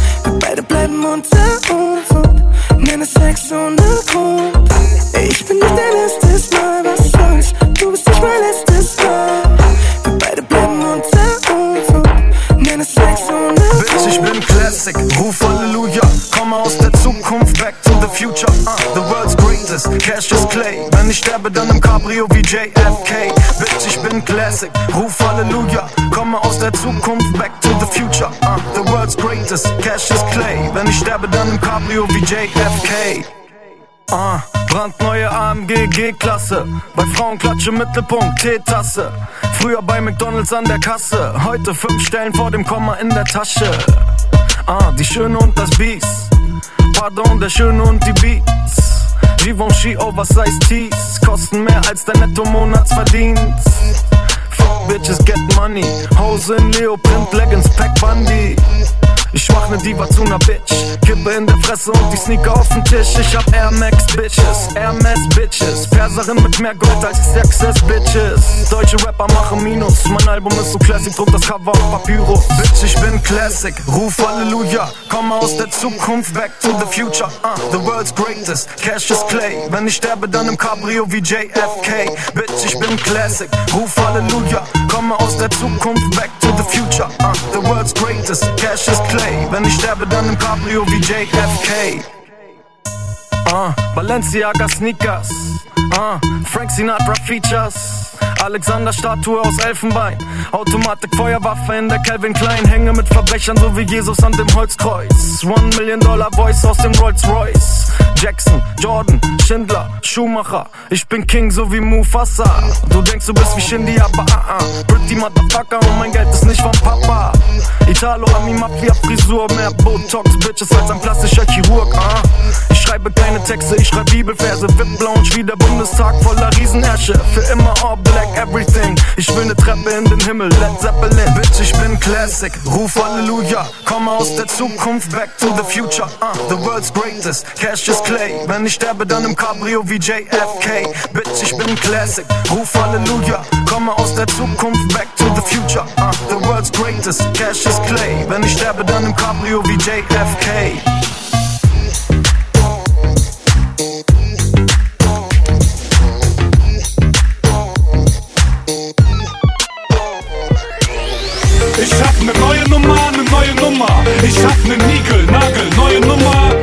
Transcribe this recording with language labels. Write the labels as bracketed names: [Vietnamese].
[German] Wir beide bleiben unter uns und nennen Sex ohne Grund. Ich bin nicht dein erstes Mal, was soll's. Du bist nicht mein letztes Mal. Wir beide bleiben unter uns und nennen Sex ohne Grund. Bitch, ich bin Classic, ruf Halleluja. Komm aus der Zukunft, [English] back to the future. The world's greatest, cash is clay. [German] Wenn ich sterbe, dann im Cabrio wie JFK. Bitch, ich bin Classic, ruf Halleluja. Komme aus der Zukunft, [English] back to the future. The world's greatest, cash is clay. [German] Wenn ich sterbe, dann im Cabrio wie JFK. Brandneue AMG G-Klasse. Bei Frauenklatsche, Mittelpunkt, Teetasse. Früher bei McDonald's an der Kasse. Heute 5 Stellen vor dem Komma in der Tasche. Die Schöne und das Biest. Pardon, der Schöne und die Beatz. Givenchy, Oversize, Tees. Kosten mehr als dein Netto-Monatsverdienst. [English] Fuck Bitches, get money. [German] Hose in Leoprint, Leggings, Pack Bundy. Ich mach ne Diva zu ner Bitch. Kippe in der Fresse und die Sneaker auf den Tisch. Ich hab Air Max Bitches, Hermes Bitches. Perserin mit mehr Gold als Sexes Bitches. Deutsche Rapper machen Minus. Mein Album ist so Classic, druck das Cover auf Papyrus. Bitch, ich bin Classic, ruf Halleluja. Komm aus der Zukunft, [English] back to the future. The world's greatest, cash is clay. [German] Wenn ich sterbe, dann im Cabrio wie JFK. Bitch, ich bin Classic, ruf Halleluja. Komm aus der Zukunft, [English] back to the future. The world's greatest, cash is clay. [German] Wenn ich sterbe, dann im Cabrio wie JFK. Balenciaga Sneakers. Frank Sinatra Features. Alexander Statue aus Elfenbein. Automatik Feuerwaffe in der Calvin Klein. Hänge mit Verbrechern, so wie Jesus an dem Holzkreuz. $1 million Voice aus dem Rolls Royce. Jackson, Jordan, Schindler, Schumacher. Ich bin King, so wie Mufasa. Du denkst, du bist wie Shindy, aber Pretty Motherfucker und mein Geld ist nicht von Papa. Italo-Ami-Mafia-Frisur. Mehr Botox, Bitches als ein plastischer Chirurg. Ich schreibe keine Texte, ich schreibe Bibelverse. VIP-Lounge wie der Bundestag voller Riesenärsche. Für immer [English] all black, everything. [German] Ich will ne Treppe in den Himmel, Led Zeppelin. Bitch, ich bin Classic, ruf Halleluja. Komme aus der Zukunft, [English] back to the future. The world's greatest, cash is clear. Play. [German] Wenn ich sterbe, dann im Cabrio wie JFK. Bitch, ich bin Classic, ruf Halleluja. Komme aus der Zukunft, [English] back to the future. The world's greatest, cash is clay. [German] Wenn ich sterbe, dann im Cabrio wie JFK. Ich hab ne neue Nummer, ne neue Nummer. Ich hab ne Nickel, Nagel, neue Nummer.